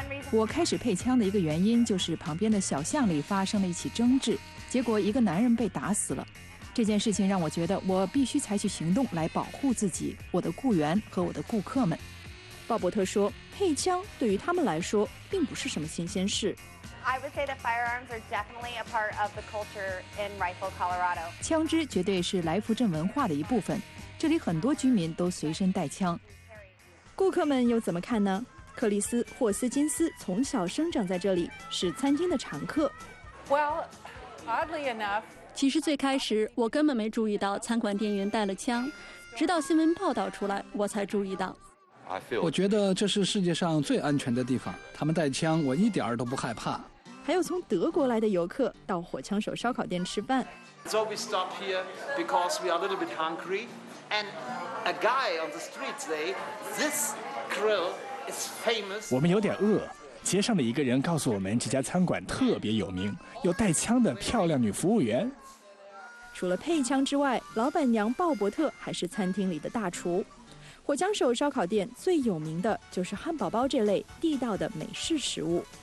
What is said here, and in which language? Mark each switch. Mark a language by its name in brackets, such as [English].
[Chinese] 我开始配枪的一个原因，就是旁边的小巷里发生了一起争执，结果一个男人被打死了。这件事情让我觉得我必须采取行动来保护自己、我的雇员和我的顾客们。鲍伯特说，配枪对于他们来说并不是什么新鲜事。 [English] I would say that firearms are definitely a part of the culture in Rifle, Colorado. [Chinese] 枪支绝对是来福镇文化的一部分，这里很多居民都随身带枪。顾客们又怎么看呢？克里斯·霍斯金斯从小生长在这里，是餐厅的常客。 [English] Well, oddly enough, [Chinese] 其实最开始我根本没注意到餐馆店员带了枪，直到新闻报道出来，我才注意到。我觉得这是世界上最安全的地方，他们带枪我一点儿都不害怕。还有从德国来的游客到火枪手烧烤店吃饭。 [English] So we stop here because we are a little bit hungry and a guy on the street say this grill is famous. [Chinese] 我们有点饿，街上的一个人告诉我们这家餐馆特别有名，有带枪的漂亮女服务员。除了配枪之外，老板娘鲍伯特还是餐厅里的大厨。火枪手烧烤店最有名的就是汉堡包这类地道的美式食物。